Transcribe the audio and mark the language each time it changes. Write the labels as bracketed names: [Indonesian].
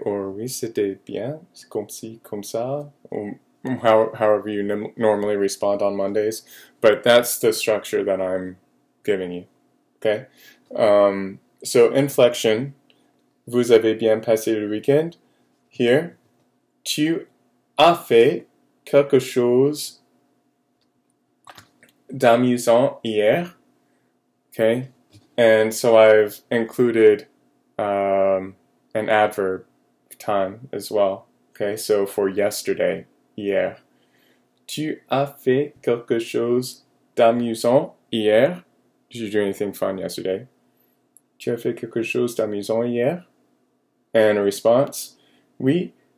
[French] Or oui, c'était bien, comme ci, comme ça. [English] However you normally respond on Mondays. But that's the structure that I'm giving you. Okay? So inflection, [French] vous avez bien passé le week-end. Here, tu as fait quelque chose d'amusant hier. [English] Okay, and so I've included an adverb time as well. Okay, so for yesterday, [French] hier. Tu as fait quelque chose d'amusant hier. [English] Did you do anything fun yesterday? [French] Tu as fait quelque chose d'amusant hier? [English] And a response, oui,